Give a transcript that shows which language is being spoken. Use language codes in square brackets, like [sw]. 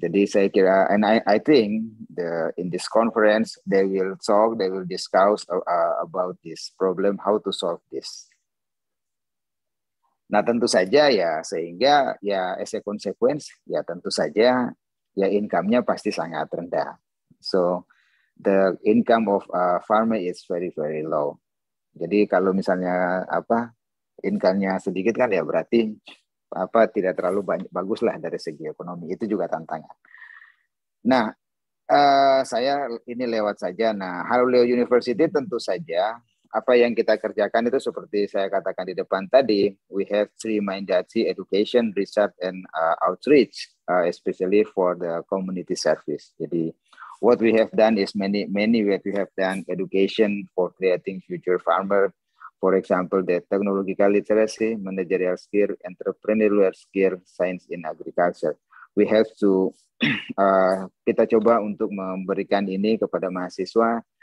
[id] Jadi saya kira, [en] and I think the in this conference they will discuss about this problem, how to solve this. [id] Nah tentu saja ya, sehingga ya [en] as a consequence [id] ya tentu saja ya income-nya pasti sangat rendah. [en] So the income of a farmer is very very low. [id] Jadi kalau misalnya income-nya sedikit kan ya berarti tidak terlalu bagus lah dari segi ekonomi. Itu juga tantangan. Nah Saya ini lewat saja. Nah, Halu University tentu saja apa yang kita kerjakan itu seperti saya katakan di depan tadi, [en] we have three mandates: education, research, and outreach, especially for the community service. [id] Jadi, [en] what we have done is many what we have done: education for creating future farmer, for example, the technological literacy, managerial skill, entrepreneurial skill, science in agriculture. We have to [id] kita coba untuk memberikan ini kepada mahasiswa.